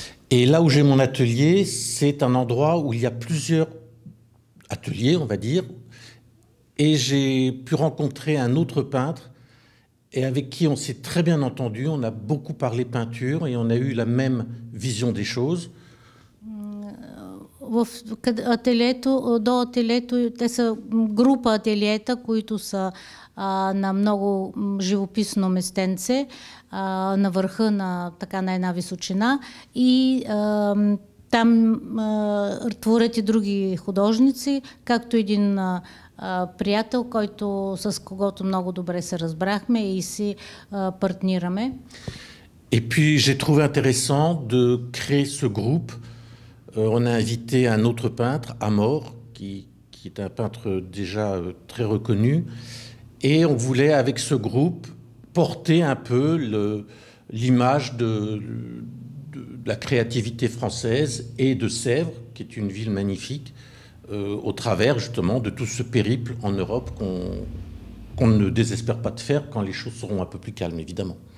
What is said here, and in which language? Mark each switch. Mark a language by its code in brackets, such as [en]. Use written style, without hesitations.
[fr] Et là où j'ai mon atelier, c'est un endroit où il y a plusieurs ateliers, on va dire, et j'ai pu rencontrer un autre peintre et avec qui on s'est très bien entendu, on a beaucoup parlé peinture et on a eu la même vision des choses. [bg] в ателието, до ателието, те са група ателиета, които са на много живописно местенце, на върха на така на една височина, и там творят и други художници, както един приятел, който с когото много добре се разбрахме и си партнираме. [fr] Et puis j'ai trouvé intéressant de créer ce groupe. On a invité un autre peintre, Amor, qui est un peintre déjà très reconnu. Et on voulait, avec ce groupe, porter un peu l'image de la créativité française et de Sèvres, qui est une ville magnifique, au travers justement de tout ce périple en Europe qu'on ne désespère pas de faire quand les choses seront un peu plus calmes, évidemment.